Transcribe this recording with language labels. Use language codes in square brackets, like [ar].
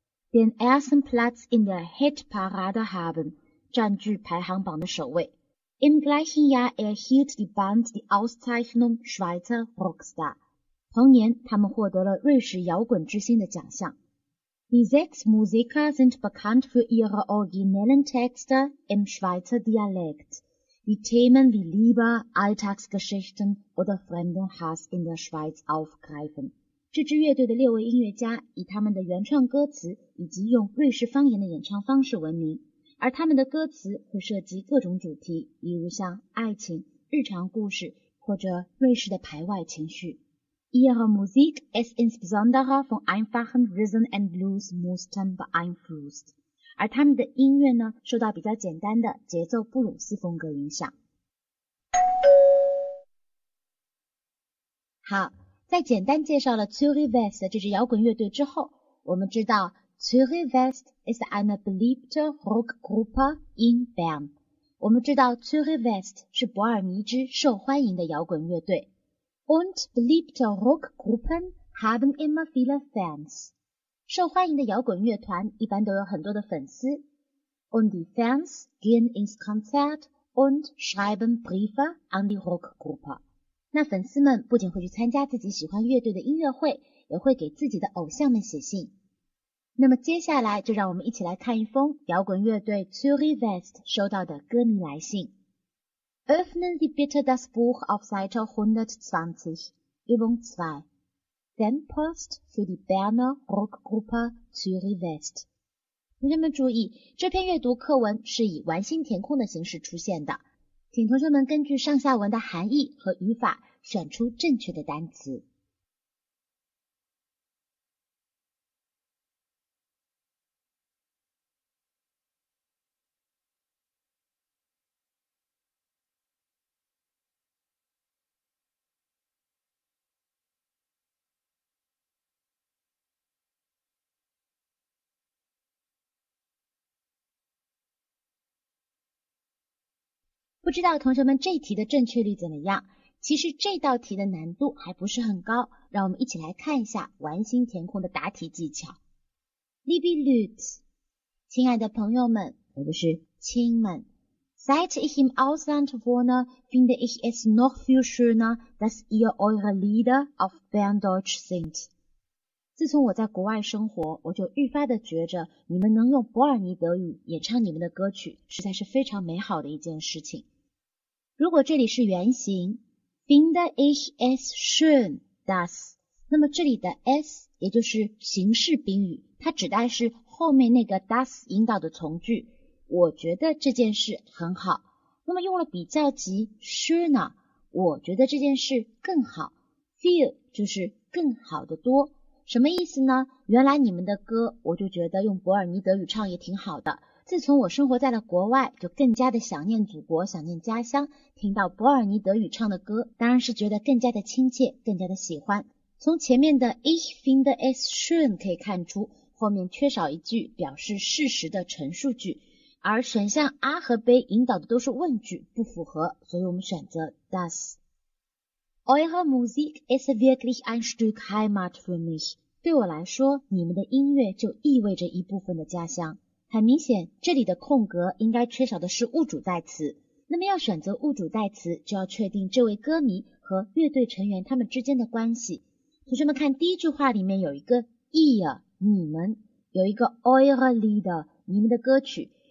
[de] Den ersten Platz in der Hitparade haben, [zh] 占据排行榜的首位。 [de] Im gleichen Jahr erhielt die Band die Auszeichnung Schweizer Rockstar. [zh] 同年，他们获得了瑞士摇滚之星的奖项。 [de] Die sechs Musiker sind bekannt für ihre originellen Texte im Schweizer Dialekt, die Themen wie Liebe, Alltagsgeschichten oder fremden Hass in der Schweiz aufgreifen. [zh] 这支乐队的六位音乐家以他们的原创歌词以及用瑞士方言的演唱方式闻名，而他们的歌词会涉及各种主题，例如像爱情、日常故事或者瑞士的排外情绪。 [de] Ihre Musik ist insbesondere von einfachen Rhythm and Blues Mustern beeinflusst. [zh] 而他们的音乐呢，受到比较简单的节奏布鲁斯风格影响。好，在简单介绍了 Zürich West 这支摇滚乐队之后，我们知道 [de] Zürich West ist eine beliebte Rockgruppe in Bern。 [zh] 我们知道 Zürich West 是伯尔尼之受欢迎的摇滚乐队。 [de] Und beliebte Rockgruppen haben immer viele Fans. [zh] 受欢迎的摇滚乐团一般都有很多的粉丝。 [de] Und die Fans gehen ins Konzert und schreiben Briefe an die Rockgruppe. [zh] 那粉丝们不仅会去参加自己喜欢乐队的音乐会，也会给自己的偶像们写信。那么接下来就让我们一起来看一封摇滚乐队 Zürich West 收到的歌迷来信。 [de] Öffnen Sie bitte das Buch auf Seite 120, Übung 2. Fanpost für die Berner Rockgruppe Zürich West. [zh] 同学们注意，这篇阅读课文是以完形填空的形式出现的，请同学们根据上下文的含义和语法选出正确的单词。不知道同学们这一题的正确率怎么样？其实这道题的难度还不是很高，让我们一起来看一下完形填空的答题技巧。 [de] Liebe Leute， [zh] 亲爱的朋友们，或者是亲们 [de] ，Seit ich im Ausland wohne， finde ich es noch viel schöner， dass ihr eure Lieder auf Berndeutsch singt。 [zh] 自从我在国外生活，我就愈发的觉着你们能用伯尔尼德语演唱你们的歌曲，实在是非常美好的一件事情。如果这里是原型 ， [de] finde ich es schön das， [zh] 那么这里的 es 也就是形式宾语，它指代是后面那个 das 引导的从句。我觉得这件事很好。那么用了比较级 schöner， 我觉得这件事更好 ，feel 就是更好的多。什么意思呢？原来你们的歌我就觉得用伯尔尼德语唱也挺好的，自从我生活在了国外，就更加的想念祖国，想念家乡，听到伯尔尼德语唱的歌当然是觉得更加的亲切，更加的喜欢。从前面的 [de] Ich finde es schön [zh] 可以看出，后面缺少一句表示事实的陈述句，而选项 A 和 B 引导的都是问句，不符合，所以我们选择 das。 [de] Eure Musik ist wirklich ein Stück Heimat für mich. [zh] 对我来说，你们的音乐就意味着一部分的家乡。很明显，这里的空格应该缺少的是物主代词。那么要选择物主代词，就要确定这位歌迷和乐队成员他们之间的关系。同学们看第一句话里面有一个 ihr， 你们，有一个 eure Lieder， 你们的歌曲。